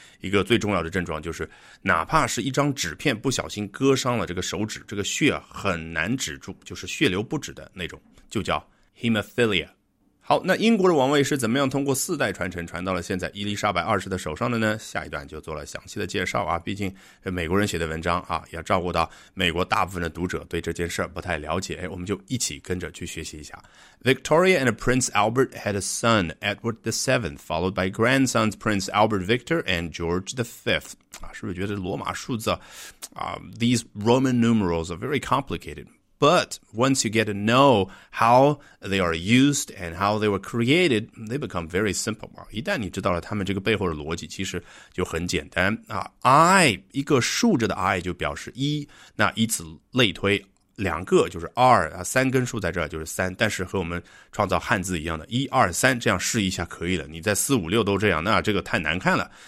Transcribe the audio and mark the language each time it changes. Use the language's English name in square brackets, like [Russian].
[Chinese] 一个最重要的症状就是哪怕是一张纸片不小心割伤了这个手指，这个血很难止住，就是血流不止的那种，就叫 hemophilia。好，那英国的王位是怎么样通过四代传承传到了现在伊丽莎白二世的手上的呢？下一段就做了详细的介绍啊，毕竟美国人写的文章啊，要照顾到美国大部分的读者对这件事不太了解，哎，我们就一起跟着去学习一下。 [English] Victoria and Prince Albert had a son, Edward VII, followed by grandsons Prince Albert Victor and George V. [Chinese] 啊，是不是觉得罗马数字啊 ， [English] these Roman numerals are very complicated? But once you get to know how they are used and how they were created, they become very simple. [Chinese] 一旦你知道了他们这个背后的逻辑，其实就很简单。 I, 一个竖着的 I 就表示一，那以此类推，两个就是二，三根竖在这就是三，但是和我们创造汉字一样的一二三，这样试一下可以了，你在四五六都这样，那这个太难看了。